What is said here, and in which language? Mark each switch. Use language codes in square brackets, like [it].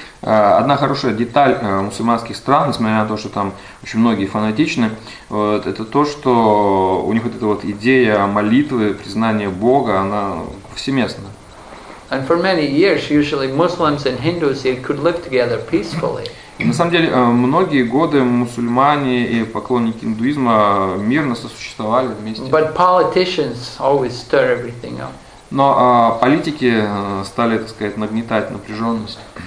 [ru] Одна хорошая деталь мусульманских стран, несмотря на то, что там очень многие фанатичны, вот, это то, что у них вот эта вот идея молитвы, признания Бога, она повсеместна. [en] And for many years, usually Muslims and Hindus could live together peacefully. [ru] И на самом деле, многие годы мусульмане и поклонники индуизма мирно сосуществовали вместе. [en] But politicians always stir everything up. [ru] Но политики стали, так сказать, нагнетать напряженность.